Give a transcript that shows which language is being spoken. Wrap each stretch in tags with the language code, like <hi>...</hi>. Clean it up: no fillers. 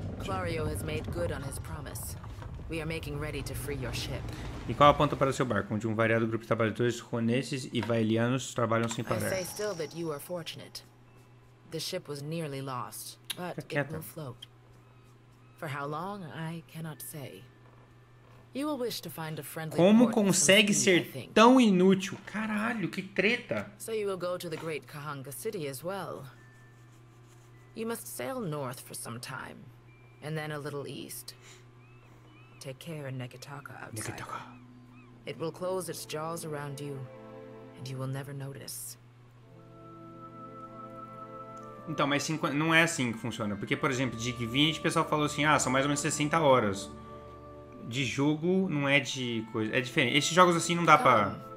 <en>Clario has made good on his promise. We are making ready to free your ship.</en> <pt>E qual aponta para seu barco, onde um variado grupo de trabalhadores roneses e vaelianos trabalham sem parar.</pt> <en>I say still that you are fortunate. The ship was nearly lost, but it will float. For how long, I cannot say. You will wish to find a friendly</en> <pt>como consegue ser tão inútil? Caralho, que treta!</pt> <en>So you will go to the Great Kahanga City as well. You must sail north for some time, and then a little east. Take care in Neketaka outside. Neketaka. It will close its jaws around you, and you will never notice.</en> <pt>Então, mas 50, não é assim que funciona. Porque, por exemplo, de 20, o pessoal falou assim, ah, são mais ou menos 60 horas. De jogo não é de coisa. É diferente. Esses jogos assim não dá pra.</pt>